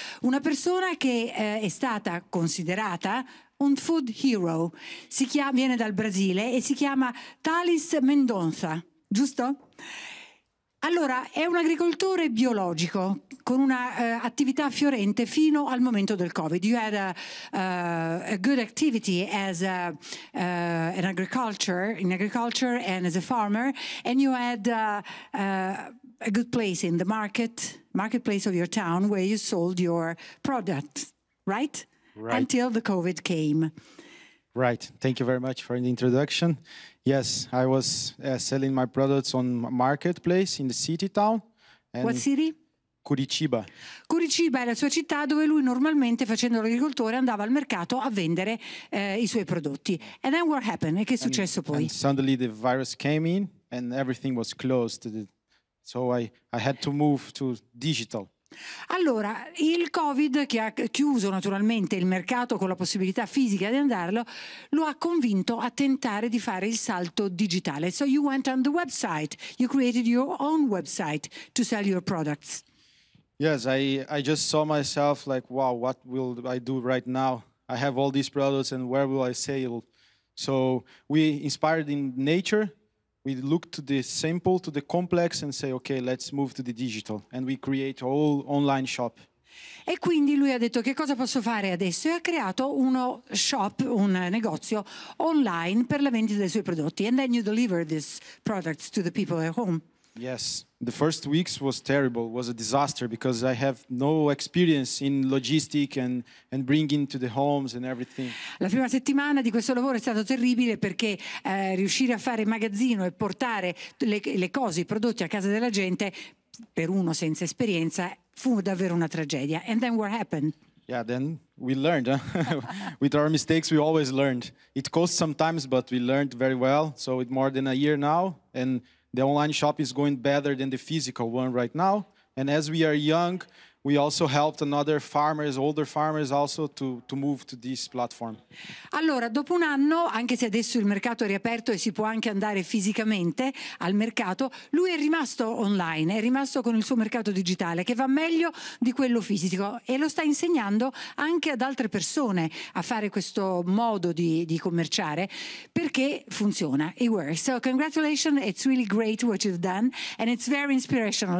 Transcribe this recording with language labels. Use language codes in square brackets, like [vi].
[it] Una persona che è stata considerata un food hero. Viene dal Brasile e si chiama Thales Mendonça, giusto? Allora, è un agricoltore biologico con una attività fiorente fino al momento del Covid. [en] You had a good activity as an agriculture, in agriculture and as a farmer, and you had a good place in the marketplace of your town where you sold your product, right? Right. Until the Covid came. Right. Thank you very much for the introduction. Yes, I was selling my products on marketplace in the city town. And what city? Curitiba. [it] Curitiba è la sua città dove lui normalmente, facendo l'agricoltore, andava al mercato a vendere i suoi prodotti. [en] And then what happened? [it] E che è successo poi? [en] And suddenly the virus came in and everything was closed. So I had to move to digital. [it] Allora, il Covid, che ha chiuso naturalmente il mercato con la possibilità fisica di andarlo, lo ha convinto a tentare di fare il salto digitale. [en] So you went on the website, you created your own website to sell your products. Yes, I just saw myself like, wow, what will I do right now? I have all these products and where will I sell? So we inspired in nature. We look to the simple, to the complex and say, okay, let's move to the digital. And we create all online shop. [it] E quindi lui ha detto, che cosa posso fare adesso? E ha creato uno shop, un negozio online per la vendita dei suoi prodotti. [en] And then you deliver these products to the people at home. Yes. The first weeks was terrible, was a disaster because I have no experience in logistic and bringing to the homes and everything. [it] La prima settimana di questo lavoro è stato terribile perché riuscire a fare magazzino e portare le cose, i prodotti a casa della gente, per uno senza esperienza, fu davvero una tragedia. [en] And then what happened? Yeah, then we learned. With our mistakes, we always learned. It cost sometimes, but we learned very well. So it's more than a year now. And the online shop is going better than the physical one right now. And as we are young, we also helped another farmers, older farmers also to move to this platform. [it] Allora, dopo un anno, anche se adesso il mercato è riaperto e si può anche andare fisicamente al mercato, lui è rimasto online, è rimasto con il suo mercato digitale che va meglio di quello fisico e lo sta insegnando anche ad altre persone a fare questo modo di commerciare perché funziona. [en] It works. So congratulations, it's really great what you've done and it's very inspirational.